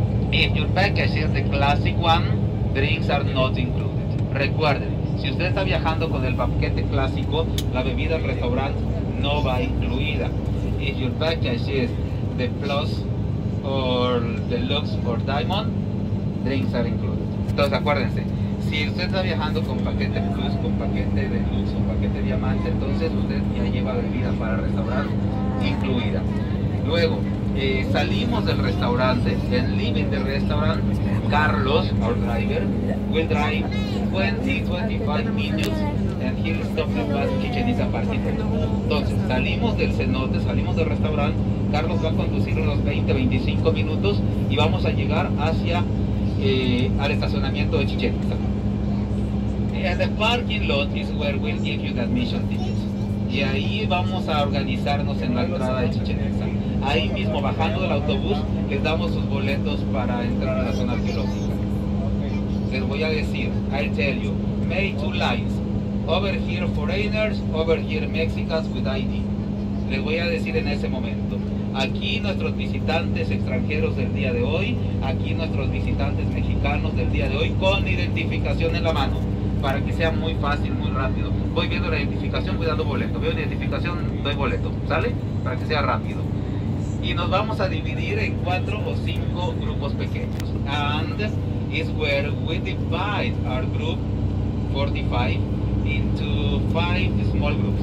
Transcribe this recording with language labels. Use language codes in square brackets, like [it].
[en] If your package is the classic one, drinks are not included. [es] Recuerden, si usted está viajando con el paquete clásico, la bebida del restaurante no va incluida. [en] If your package is the plus or deluxe or diamond, drinks are included. [es] Entonces acuérdense, si usted está viajando con paquete plus, con paquete deluxe o paquete diamante, entonces usted ya lleva bebida para el restaurante incluida. Luego, salimos del restaurante, [en] en leaving the restaurant, Carlos, our driver, will drive 20-25 minutes and he'll stop the bus in Chichen Itza parking lot. [es] Entonces, salimos del cenote, salimos del restaurante, Carlos va a conducir unos 20-25 minutos y vamos a llegar hacia al estacionamiento de Chichen Itza. [en] And the parking lot is where we'll give you the admission tickets. [es] Y ahí vamos a organizarnos en la entrada de Chichen Itza. Ahí mismo, bajando del autobús, les damos sus boletos para entrar a la zona arqueológica. Les voy a decir, [en] I tell you, made two lines. Over here foreigners, over here Mexicans with ID. [es] Les voy a decir en ese momento. Aquí nuestros visitantes extranjeros del día de hoy, aquí nuestros visitantes mexicanos del día de hoy, con identificación en la mano, para que sea muy fácil, muy rápido. Voy viendo la identificación, voy dando boleto. Veo la identificación, doy boleto, ¿sale? Para que sea rápido. Y nos vamos a dividir en 4 o 5 grupos pequeños. [en] And is where we divide our group 45 into 5 small groups.